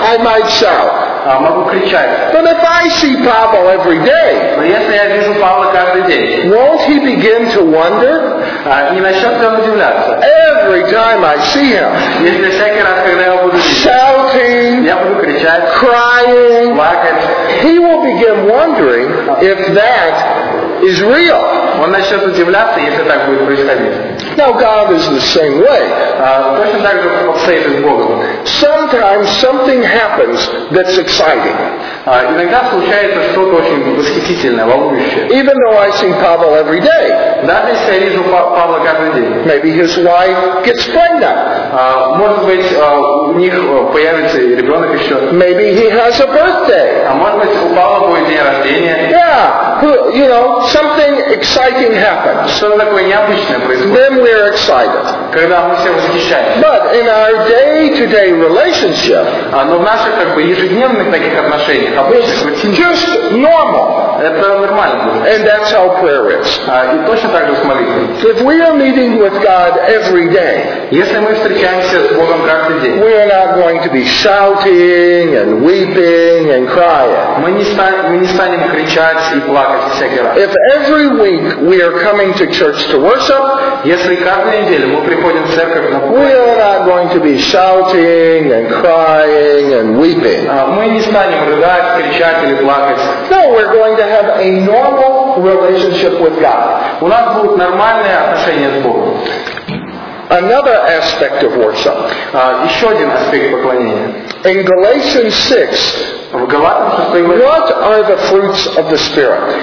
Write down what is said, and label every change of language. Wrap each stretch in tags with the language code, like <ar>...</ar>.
<en>I might shout.</en> <ru>Могу кричать.</ru> <en>But if I see Pavel every day,</en> <ru>но если я вижу Павла каждый день,</ru> <en>won't he begin to wonder?</en> <ru>Не начнет он удивляться.</ru> <en>Every time I see him,</en> <ru>если всякий раз, когда я его буду видеть,</ru> <en>shouting,</en> <ru>я буду кричать,</ru> <en>crying,</en> <ru>плакать,</ru> <en>he will begin wondering if that is real.</en> <ru>Он начнет удивляться, если так будет происходить.</ru> <en>Now God is the same way.</en> <ru>Точно так же обстоит с Богом.</ru> <en>Sometimes something happens that's exciting.</en> <ru>Иногда случается что-то очень восхитительное, волнующее.</ru> <en>Even though I see Pavel every day.</en> <ru>Даже если я вижу Павла каждый день.</ru> <en>Maybe his wife gets pregnant.</en> <ru>Может быть, у них появится ребенок еще.</ru> <en>Maybe he has a birthday.</en> <ru>А может быть, у Павла будет день рождения.</ru> <en>Yeah, you know, something exciting happens.</en> <ru>Что-то такое необычное происходит.</ru> <en>Then we are excited.</en> <ru>Когда мы все восхищаемся.</ru> <en>But in our day-to-day relationship,</en> <ru>но в наших как бы ежедневных таких отношениях, обычных,</ru> <en>it's just normal.</en> <ru>Это нормально будет.</ru> <en>And that's how prayer is.</en> <ru>И точно так же с молитвой.</ru> <en>If we are meeting with God every day,</en> <ru>если мы встречаемся с Богом каждый день,</ru> <en>we are not going to be shouting and weeping and crying.</en> <ru>Мы не станем кричать и плакать всякий раз.</ru> <en>If every week we are coming to church to worship,</en> <ru>если каждую неделю мы приходим в церковь на поле,</ru> <en>we are not going to be shouting and crying and weeping.</en> <ru>Мы не станем рыдать, кричать или плакать.</ru> <en>No, we're going to have a normal relationship with God.</en> <ru>У нас будут нормальные отношения с Богом.</ru> <en>Another aspect of worship.</en> <ru>Еще один аспект поклонения.</ru> <en>In Galatians 6,</en> <ru>в Галатам 6</ru> <en>verse, what are the fruits of the Spirit?</en>